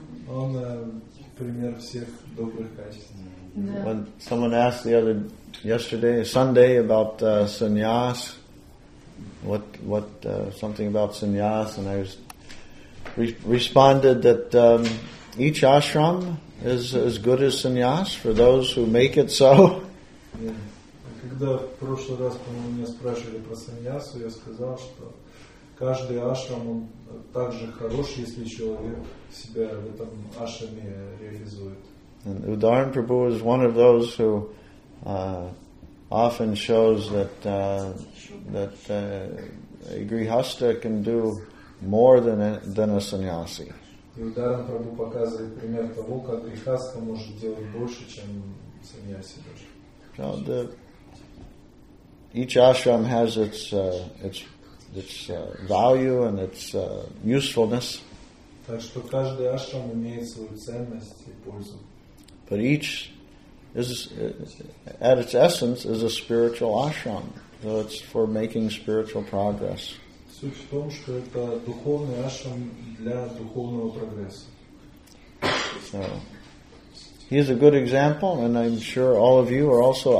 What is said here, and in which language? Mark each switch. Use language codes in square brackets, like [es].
[en] When someone asked yesterday, Sunday, about sannyas, something about sannyas, and I was responded that each ashram is as good as sannyas for those who make it so. [ru] Когда в прошлый раз меня спрашивали про саньясу, я сказал, что каждый ашрам он также хорош, если человек себя в этом ашраме реализует. [en] And Udharan Prabhu is one of those who often shows that a grihastha can do more than a sannyasi. [ru] И Udharan Prabhu показывает пример того, как грихастха может делать больше, чем саньяси даже. [en] Each ashram has its value and its usefulness. [ru] Так что каждый ашрам имеет свою ценность и пользу. [en] But each is, at its essence, is a spiritual ashram. So it's for making spiritual progress. [ru] Суть в том, что это духовный ашрам для духовного прогресса. [en] So he's a good example, and I'm sure all of you are also.